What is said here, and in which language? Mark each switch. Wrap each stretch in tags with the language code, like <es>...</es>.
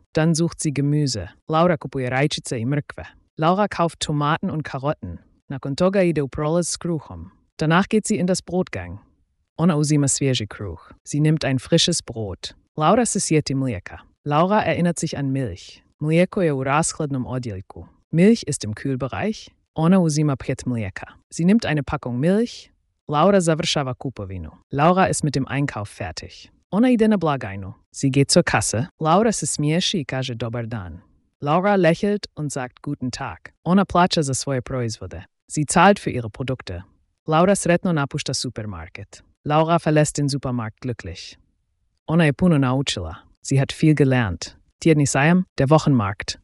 <de>Dann sucht sie Gemüse.</de> <hr>Laura kupuje rajčice i mrkve.</hr> <de>Laura kauft Tomaten und Karotten.</de> <hr>Nakon toga ide u prolaz s kruhom.</hr> <de>Danach geht sie in das Brotgang.</de> <hr>Ona uzima svježi kruh.</hr> <de>Sie nimmt ein frisches Brot.</de> <hr>Laura se sjeti mlijeka.</hr> <de>Laura erinnert sich an Milch.</de> <hr>Mlijeko je u rashladnom odjeljku.</hr> <de>Milch ist im Kühlbereich.</de> <hr>Ona uzima pet mlijeka.</hr> <de>Sie nimmt eine Packung Milch.</de> <hr>Laura završava kupovinu.</hr> <de>Laura ist mit dem Einkauf fertig.</de> <hr>Ona ide na blagajnu.</hr> <de>Sie geht zur Kasse.</de> <hr>Laura se smiješi i kaže dobar dan.</hr> <de>Laura lächelt und sagt guten Tag.</de> <hr>Ona plaća za svoje proizvode.</hr> <de>Sie zahlt für ihre Produkte.</de> <hr>Laura sretno napušta supermarket.</hr> <de>Laura verlässt den Supermarkt glücklich.</de> <hr>Ona je puno naučila.</hr> <de>Sie hat viel gelernt.</de> <hr>Tjedni sajam,</hr> <de>der Wochenmarkt.</de>